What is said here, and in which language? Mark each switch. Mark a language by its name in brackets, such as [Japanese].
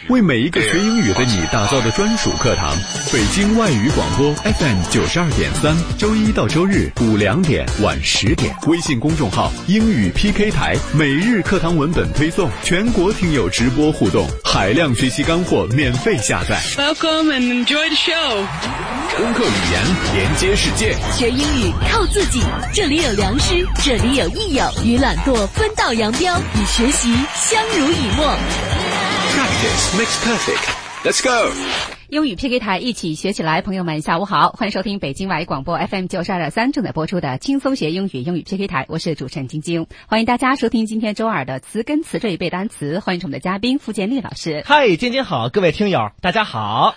[Chinese] 为每一个学英语的你打造的专属课堂。北京外语广播 FM92.3， 周一到周日5-10点，微信公众号英语 PK 台，每日课堂文本推送，全国听友直播互动，海量学习干货免费下载。 [English] Welcome and enjoy the show。 [Chinese] 攻克语言，连接世界，学英语。靠自己，这里有良师，这里有益友，与懒惰分道扬镳，与学习相濡以沫。 [English] Practice makes perfect. Let's go. [Chinese] 英语 PK 台，一起学起来。朋友们，下午好，欢迎收听北京外语广播 FM92.3 正在播出的轻松学英语英语 PK 台，我是主持人晶晶。欢迎大家收听今天周二的词根词缀背单词，欢迎我们的嘉宾傅建立老师。嗨，晶晶好，各位听友大家好。